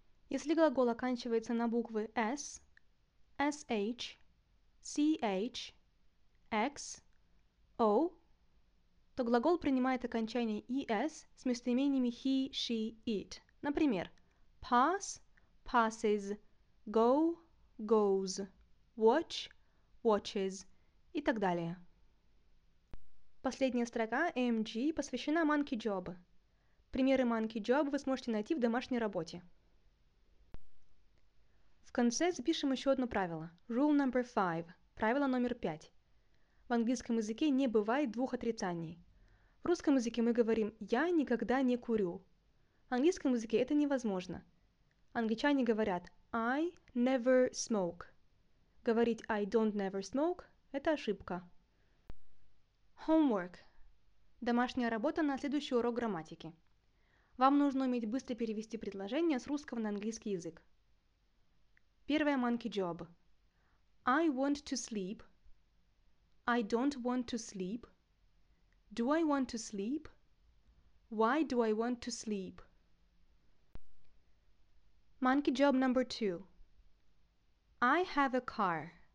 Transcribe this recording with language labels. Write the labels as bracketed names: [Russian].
[Russian] Если глагол оканчивается на буквы S, SH, CH, X, O, то глагол принимает окончание ES с местоимениями [English] he, she, it. Например, pass, passes, go, goes, watch, watches [Russian] и так далее. Последняя строка MG посвящена monkey job. Примеры monkey job вы сможете найти в домашней работе. В конце запишем еще одно правило. [English] Rule number 5. [Russian] Правило номер 5. В английском языке не бывает двух отрицаний. В русском языке мы говорим «я никогда не курю». В английском языке это невозможно. Англичане говорят [English] «I never smoke». [Russian] Говорить [English] «I don't never smoke» – [Russian] это ошибка. [English] Homework. [Russian] Домашняя работа на следующий урок грамматики. Вам нужно уметь быстро перевести предложение с русского на английский язык. Первое [English] monkey job. I want to sleep. I don't want to sleep. Do I want to sleep? Why do I want to sleep? Monkey job number 2. I have a car.